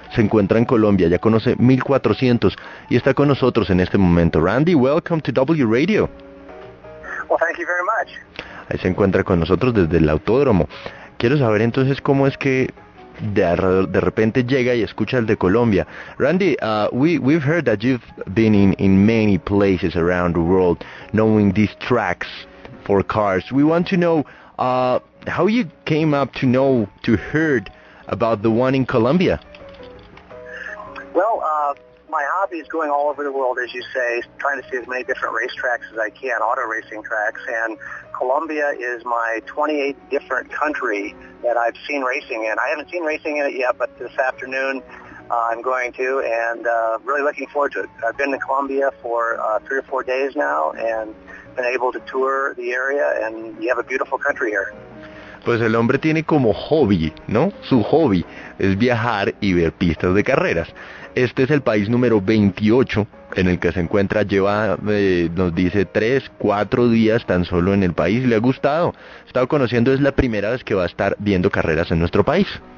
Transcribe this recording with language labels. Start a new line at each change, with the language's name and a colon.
Spanish: Se encuentra en Colombia, ya conoce 1400 y está con nosotros en este momento.
English: Randy, welcome to W Radio. Well, thank you very much.
Spanish: Ahí se encuentra con nosotros desde el autódromo. Quiero saber entonces cómo es que de repente llega y escucha el de Colombia.
English: Randy, we've heard that you've been in many places around the world, knowing these tracks for cars. We want to know how you came up to know, to heard about the one in Colombia. Well, my hobby is going all over the world, as you say, trying to see as many different racetracks as I can, auto racing tracks, and Colombia is my 28th different country that I've seen racing in. I haven't seen racing in it yet, but this afternoon I'm going to, and really looking forward to it. I've been to Colombia for 3 or 4 days now, and been able to tour the area, and you have a beautiful country here.
Spanish: Pues el hombre tiene como hobby, ¿no? Su hobby es viajar y ver pistas de carreras. Este es el país número 28 en el que se encuentra. Lleva, nos dice, 3, 4 días tan solo en el país. Le ha gustado. Estaba conociendo, es la primera vez que va a estar viendo carreras en nuestro país.